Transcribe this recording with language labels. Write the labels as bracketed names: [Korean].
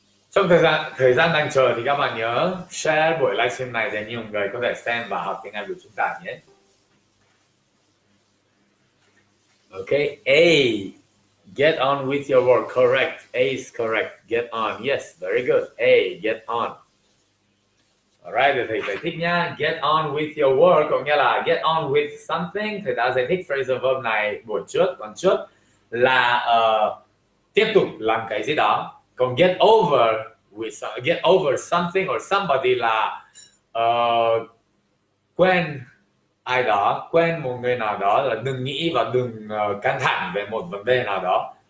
[Vietnamese] Trong thời gian đang chờ thì các bạn nhớ share buổi livestream này để nhiều người có thể xem và học tiếng Anh của chúng ta nhé. [English] Ok, A, get on with your work, correct. A is correct, get on, yes, very good. A, get on. [Vietnamese] Alright, thầy giải thích nha. [English] Get on with your work, [Vietnamese] có nghĩa là [English] get on with something. [Vietnamese] Thầy đã giải thích phrasal verb này buổi trước, tuần trước là tiếp tục làm cái gì đó. Còn get over with get over something or somebody là quen ai đó, quen một người nào đó, là đừng nghĩ và đừng căng thẳng về một vấn đề nào đó.